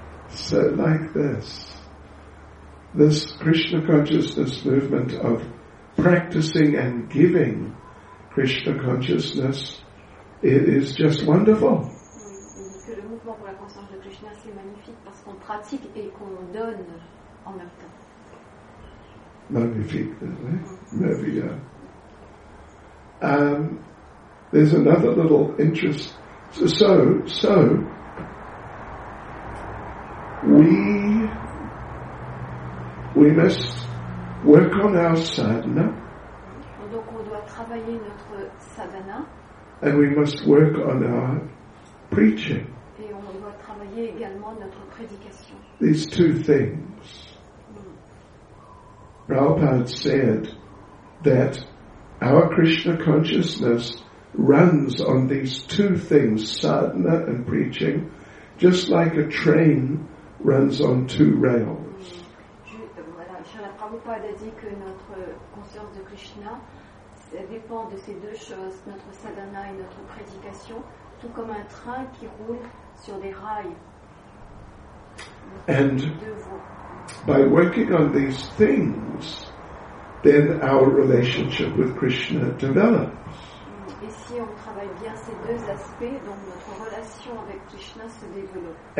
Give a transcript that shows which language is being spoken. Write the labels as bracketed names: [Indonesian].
[English] So like this, this Krishna consciousness movement of practicing and giving Krishna consciousness, it is just wonderful. [French] Que le mouvement pour la conscience de Krishna, c'est magnifique parce qu'on pratique et qu'on donne en même temps. [English] Magnifique, maybe, yeah. There's another little interest. So we must work on our sadhana. [French] Donc on doit travailler notre sadhana. [English] And we must work on our preaching. [French] Et on doit travailler également notre prédication. [English] These two things. Prabhupada said that our Krishna consciousness runs on these two things, sadhana and preaching, just like a train runs on two rails. [French] Voilà, Srila Prabhupada dit que notre conscience de Krishna dépend de ces deux choses, notre sadhana et notre prédication, tout comme un train qui roule sur des rails. [English] And by working on these things, then our relationship with Krishna develops. [French] Et si on travaille bien ces deux aspects, donc notre relation avec Krishna se développe.